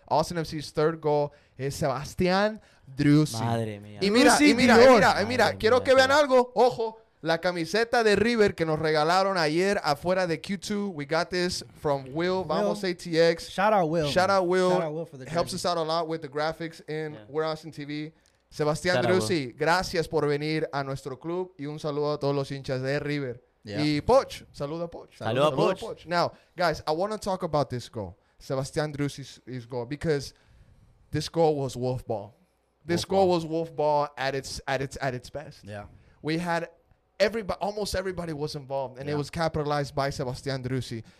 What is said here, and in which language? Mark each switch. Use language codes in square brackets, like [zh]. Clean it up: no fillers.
[en] Austin FC's third goal is Sebastián Drussi. [es] Madre mía. Y mira. Quiero que vean algo. Ojo. La camiseta de River que nos regalaron ayer afuera de Q2. [en] We got this from Will. [es] Vamos ATX. [en] Shout out Will. Helps us out a lot with the graphics in We're Austin TV. [es] Sebastián Drussi, gracias por venir a nuestro club. Y un saludo a todos los hinchas de River. Yeah. Y Poch. Saludo a Poch. [en] Now, guys, I want to talk about this goal. Sebastián Drussi's goal. Because this goal was wolf ball. This goal was wolf ball at its best. Yeah. we had everybody, almost everybody was involved, and it was capitalized by Sebastián Drussi.